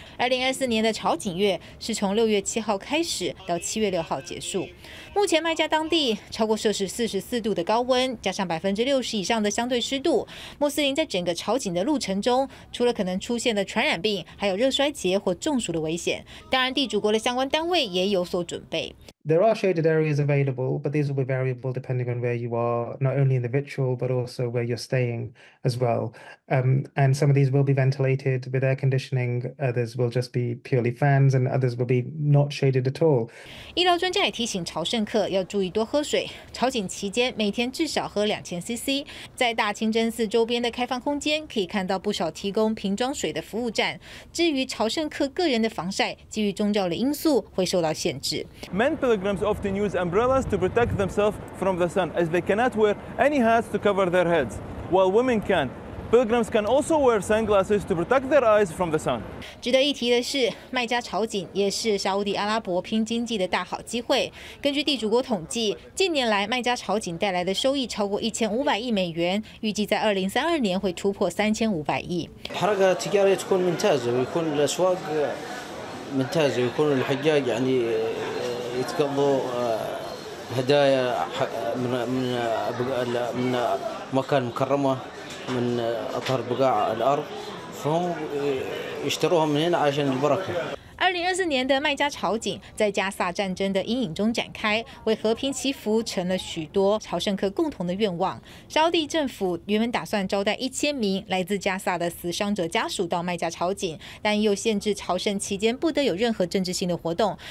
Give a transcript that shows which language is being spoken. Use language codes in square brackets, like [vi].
[zh] 2024年的朝觐月是从6月7号开始到7月6号结束。目前麦加当地超过摄氏44度的高温，加上60%以上的相对湿度，穆斯林在整个朝觐的路程中，除了可能出现的传染病，还有热衰竭或中暑的危险，当然地主国的相关单位也有所准备。 [en] There are shaded areas available, but these will be variable depending on where you are, not only in the ritual, but also where you're staying as well. And some of these will be ventilated with air conditioning, others will just be purely fans, and others will be not shaded at all. [zh] 医疗专家也提醒朝圣客要注意多喝水，朝觐期间每天至少喝2000cc。在大清真寺周边的开放空间可以看到不少提供瓶装水的服务站。至于朝圣客个人的防晒，基于宗教的因素会受到限制。 [en] Pilgrims often use umbrellas to protect themselves from the sun, as they cannot wear any hats to cover their heads, while women can. Pilgrims can also wear sunglasses to protect their eyes from the sun. [zh] 值得一提的是，麦加朝觐也是沙烏地阿拉伯拼经济的大好机会。根据地主国统计，近年来麦加朝觐带来的收益超过1500亿美元，预计在2032年会突破3500亿。 [ar] حركة تجارية تكون ممتازة ويكون الأسواق ممتازة ويكون الحجاج يعني. يتقضوا هدايا من مكان مكرمة من أطهر بقاع الأرض فهم يشتروها من هنا عشان البركة [zh] 2024年的麦加朝觐在加萨战争的阴影中展开，为和平祈福成了许多朝圣客共同的愿望。沙烏地政府原本打算招待1000名来自加萨的死伤者家属到麦加朝觐，但又限制朝圣期间不得有任何政治性的活动。